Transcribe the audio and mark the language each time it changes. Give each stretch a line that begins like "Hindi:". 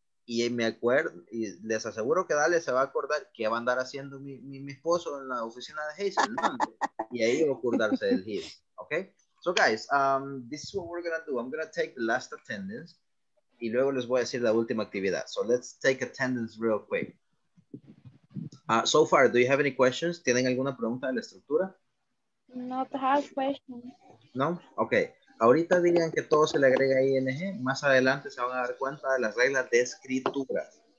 Spanish: Y me acuerdo, y les aseguro que Dale se va a acordar qué va a andar haciendo mi esposo en la oficina de Hazel. ¿No? Y ahí va a acordarse del his. Okay?
English: So, guys, this is what we're going to do. I'm going to take the last attendance.
Spanish: Y luego les voy a decir la última actividad.
English: So, let's take attendance real quick. So far, do you have any questions?
Spanish: ¿Tienen alguna pregunta de la estructura?
English: Not have questions.
Spanish: No? Okay. Ahorita digan que todo se le agrega ING. Más adelante se van a dar cuenta de las reglas de escritura.